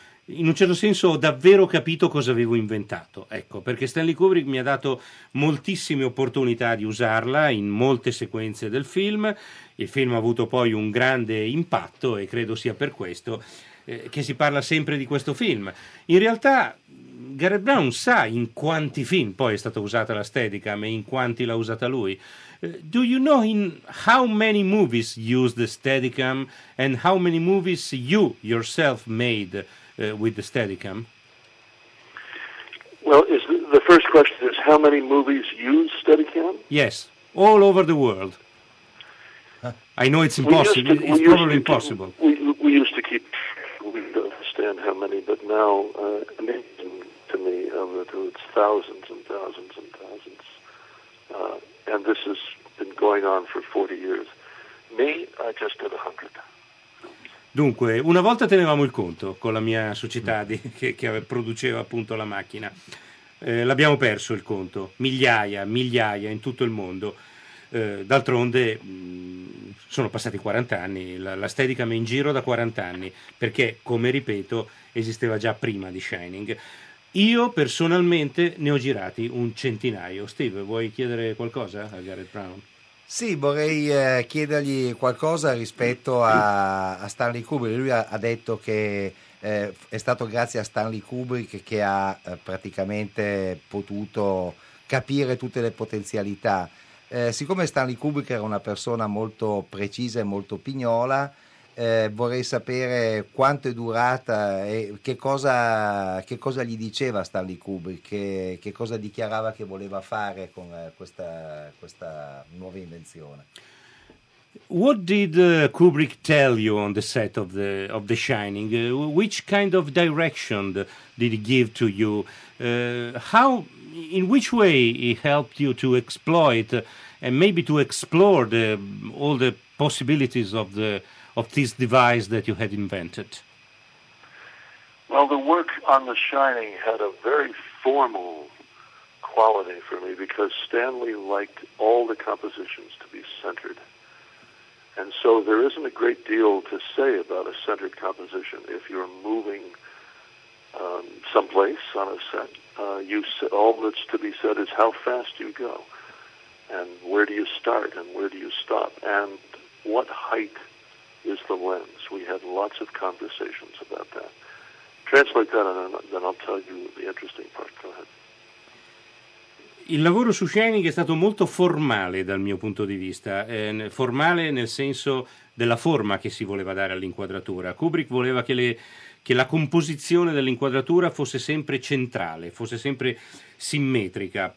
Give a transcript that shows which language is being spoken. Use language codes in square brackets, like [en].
[it] In un certo senso ho davvero capito cosa avevo inventato, ecco, perché Stanley Kubrick mi ha dato moltissime opportunità di usarla in molte sequenze del film. Il film ha avuto poi un grande impatto e credo sia per questo che si parla sempre di questo film. In realtà Garrett Brown sa in quanti film poi è stata usata la Steadicam e in quanti l'ha usata lui. [en] Do you know in how many movies used the Steadicam and how many movies you yourself made with the Steadicam? Well, is the first question is how many movies use Steadicam? Yes, all over the world. Huh? I know it's impossible. It's probably impossible. We used to keep. We don't understand how many, but now amazing to me, Alberto, it's thousands and thousands and thousands. And this has been going on for 40 years. Me, I just did 100. [it] Dunque, una volta tenevamo il conto con la mia società che produceva appunto la macchina. L'abbiamo perso il conto, migliaia in tutto il mondo. D'altronde sono passati 40 anni, la Steadicam è in giro da 40 anni, perché, come ripeto, esisteva già prima di Shining. Io personalmente ne ho girati un centinaio. Steve, vuoi chiedere qualcosa a Garrett Brown? Sì, vorrei chiedergli qualcosa rispetto a Stanley Kubrick. Lui ha detto che è stato grazie a Stanley Kubrick che ha praticamente potuto capire tutte le potenzialità. Siccome Stanley Kubrick era una persona molto precisa e molto pignola, vorrei sapere quanto è durata e che cosa gli diceva Stanley Kubrick, che cosa dichiarava che voleva fare con questa nuova invenzione. [en] What did Kubrick tell you on the set of the Shining? Which kind of direction did he give to you? How, in which way he helped you to exploit and maybe to explore the all the possibilities of the of this device that you had invented? Well, the work on The Shining had a very formal quality for me because Stanley liked all the compositions to be centered. And so there isn't a great deal to say about a centered composition. If you're moving someplace on a set, all that's to be said is how fast you go and where do you start and where do you stop and what height is the lens. We had lots of conversations about that. Translate that and then I'll tell you the interesting part. Go ahead. [it] Il lavoro su Shining è stato molto formale dal mio punto di vista, formale nel senso della forma che si voleva dare all'inquadratura. Kubrick voleva che la composizione dell'inquadratura fosse sempre centrale, fosse sempre simmetrica.